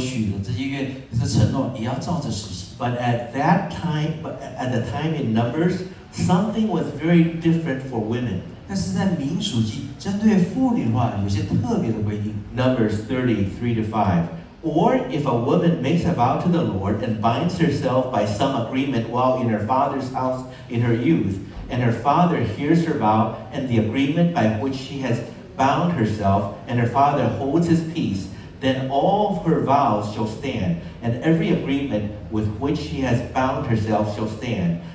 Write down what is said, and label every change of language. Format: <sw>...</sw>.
<zh>神希望人们对神所许的，你要照着行，然后对人所许的这些约、这承诺，也要照着实行。</zh> <en>But at the time in Numbers, something was very different for women.</en> <zh>但是在民数记，针对妇女的话，有些特别的规定。</zh> <en>Numbers 30:3-5. Or if a woman makes a vow to the Lord and binds herself by some agreement while in her father's house in her youth, and her father hears her vow and the agreement by which she has bound herself, and her father holds his peace, then all of her vows shall stand, and every agreement with which she has bound herself shall stand.</en>